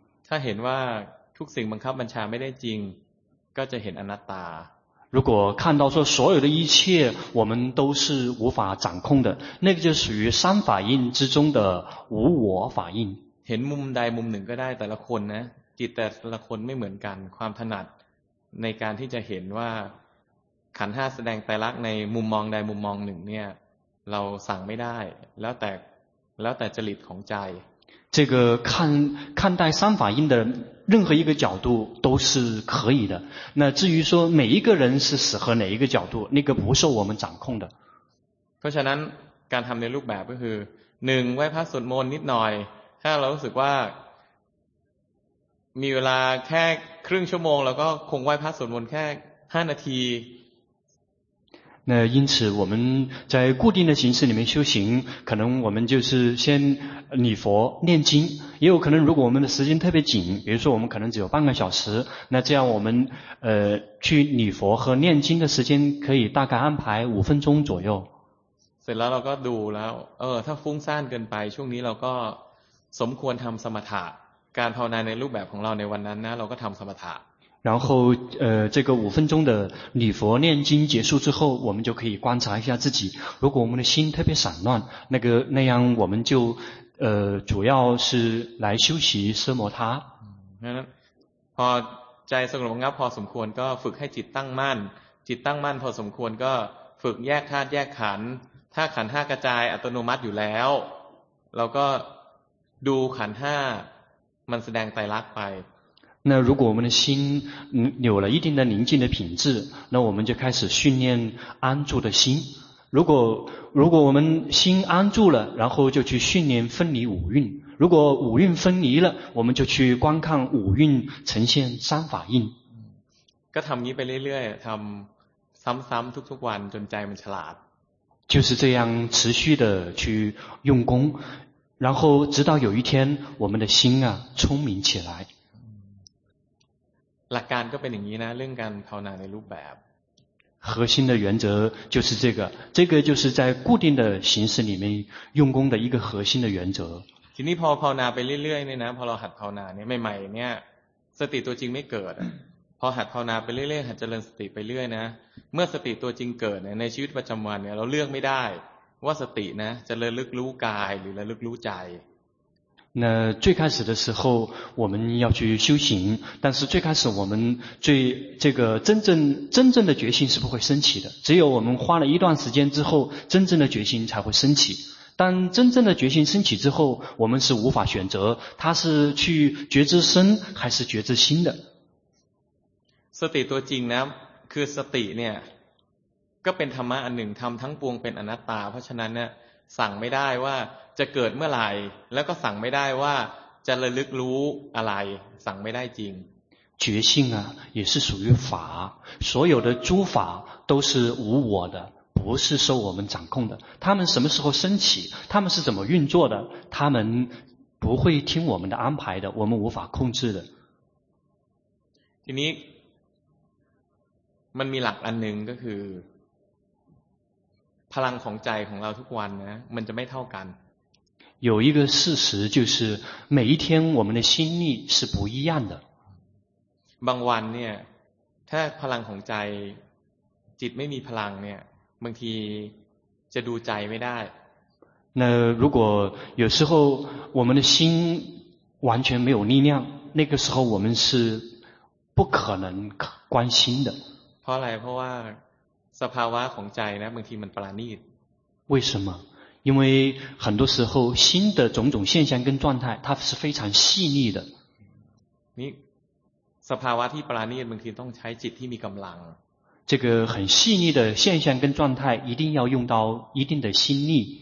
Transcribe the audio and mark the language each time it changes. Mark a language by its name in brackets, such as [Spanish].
[Thai] 他เห็นว่าทุกสิ่งบังคับบัญชาไม่ได้จริงก็จะเห็นอนัตตา [Chinese] 如果看到说所有的一切我们都是无法掌控的，那个就属于三法印之中的无我法印。 [Thai] เห็นมุมใดมุมหนึ่งก็ได้แต่ละคนนะจิตแต่ละคนไม่เหมือนกันความถนัดในการที่จะเห็นว่าขันธ์ห้าแสดงไตรลักษณ์ในมุมมองใดมุมมองหนึ่งเนี่ยเราสั่งไม่ได้แล้วแต่จริตของใจ [Chinese] 这个看待三法印的任何一个角度都是可以的那至于说每一个人是适合哪一个角度那个不受我们掌控的 [Thai] เพราะฉะนั้นการทำในรูปแบบก็คือหนึ่งไหว้พระสวดมนต์นิดหน่อยถ้าเรารู้สึกว่ามีเวลาแค่ครึ่งชั่วโมงแล้วก็คงไหว้พระสวดมนต์แค่5นาที [Chinese] 那因此我们在固定的形式里面修行可能我们就是先礼佛念经也有可能如果我们的时间特别紧比如说我们可能只有半个小时那这样我们去礼佛和念经的时间可以大概安排5分钟左右 [Thai] เสร็จแล้วเราก็ดูแล้วถ้าฟุ้งซ่านเกินไปช่วงนี้เราก็สมควรทำสมถะการภาวนาในรูปแบบของเราในวันนั้นนะเราก็ทำสมถะ [Chinese] 然后这个五分钟的礼佛念经结束之后我们就可以观察一下自己如果我们的心特别散乱那个那样我们就主要是来休息奢摩他 [Thai] พอใจสงบงับพอสมควรก็ฝึกให้จิตตั้งมั่นจิตตั้งมั่นพอสมควรก็ฝึกแยกธาตุแยกขันธ์ถ้าขันธ์ห้ากระจายอัตโนมัติอยู่แล้วเราก็ดูขันธ์ 5มันแสดงไตรลักษณ์ไป [Chinese] 那如果我们的心有了一定的宁静的品质那我们就开始训练安住的心如果我们心安住了然后就去训练分离五蕴如果五蕴分离了我们就去观看五蕴呈现三法印 [Thai] ก็ทำนี้ไปเรื่อยๆทำซ้ำๆทุกๆวันจนใจมันฉลาด [Chinese] 就是这样持续的去用功然后直到有一天我们的心啊聪明起来 [Thai] หลักการก็เป็นอย่างนี้นะเรื่องการภาวนาในรูปแบบ [Chinese] 核心的原则就是这个就是在固定的形式里面用功的一个核心的原则 [Thai] ทีนี้พอภาวนาไปเรื่อยๆเนี่ยนะพอเราหัดภาวนาเนี่ยใหม่ๆเนี่ยสติตัวจริงไม่เกิดพอหัดภาวนาไปเรื่อยๆหัดเจริญสติไปเรื่อยนะเมื่อสติตัวจริงเกิดเนี่ยในชีวิตประจำวันเนี่ยเราเลือกไม่ได้ว่าสตินะจะระลึกรู้กายหรือระลึกรู้ใจ [Chinese] 那最开始的时候我们要去修行但是最开始我们最这个真正的决心是不会升起的只有我们花了一段时间之后真正的决心才会升起但真正的决心升起之后我们是无法选择它是去觉知身还是觉知心的 [Thai] สติตัวจริงนะคือสติเนี่ยก็เป็นธรรมะอันหนึ่งทำทั้งปวงเป็นอนัตตาเพราะฉะนั้นเนี่ยสั่งไม่ได้ว่าจะเกิดเมื่อไหร่แล้วก็สั่งไม่ได้ว่าจะระลึกรู้อะไรสั่งไม่ได้จริง [Chinese] 觉性啊也是属于法所有的诸法都是无我的不是受我们掌控的他们什么时候升起他们是怎么运作的他们不会听我们的安排的我们无法控制的 [Thai] ทีนี้มันมีหลักอันหนึ่งก็คือพลังของใจของเราทุกวันนะมันจะไม่เท่ากัน [Chinese] 有一个事实就是每一天我们的心力是不一样的 [Thai] บางวันเนี่ยถ้าพลังของใจจิตไม่มีพลังเนี่ยบางทีจะดูใจไม่ได้ [Chinese] 那如果有时候我们的心完全没有力量那个时候我们是不可能关心的 [Thai] เพราะอะไรเพราะว่าสภาวะของใจนะบางทีมันปราณีต [Chinese] 为什么因为很多时候心的种种现象跟状态它是非常细腻的 [Thai] นี่สภาวะที่ปราณีตบางทีต้องใช้จิตที่มีกำลัง [Chinese] 这个很细腻的现象跟状态一定要用到一定的心力